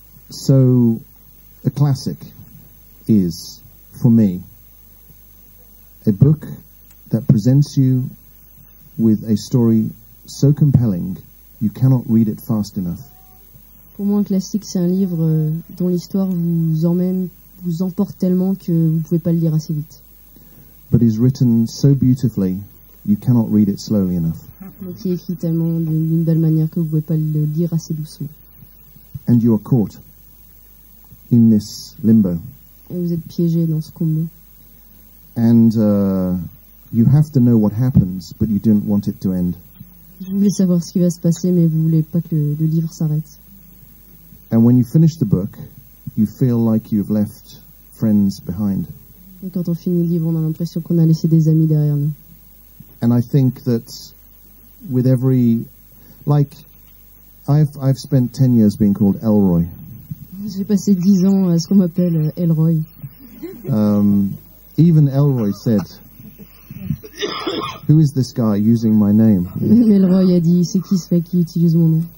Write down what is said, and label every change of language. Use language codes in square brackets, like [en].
[en] So a classic is for me a book that presents you with a story so compelling you cannot read it fast enough. [fr] Pour moi, un classique, c'est un livre dont l'histoire vous emmène, vous emporte tellement que vous ne pouvez pas le lire assez vite. [en] But it's written so beautifully, you cannot read it slowly enough. [fr] Mais qui est écrit tellement d'une belle manière que vous ne pouvez pas le lire assez doucement. [en] And you are caught in this limbo. [fr] Et vous êtes piégé dans ce combo. [en] And you have to know what happens, but you didn't want it to end. [fr] Vous voulez savoir ce qui va se passer, mais vous voulez pas que le livre s'arrête. [en] And when you finish the book, you feel like you've left friends behind. [fr] Et quand on finit le livre, on a l'impression qu'on a laissé des amis derrière nous. [en] And I think that with every, like, I've spent 10 years being called Elroy. [fr] J'ai passé 10 ans à ce qu'on m'appelle Elroy. [en] Even Elroy said, who is this guy using my name? [fr] Elroy a dit, c'est qui ce mec qui utilise mon nom?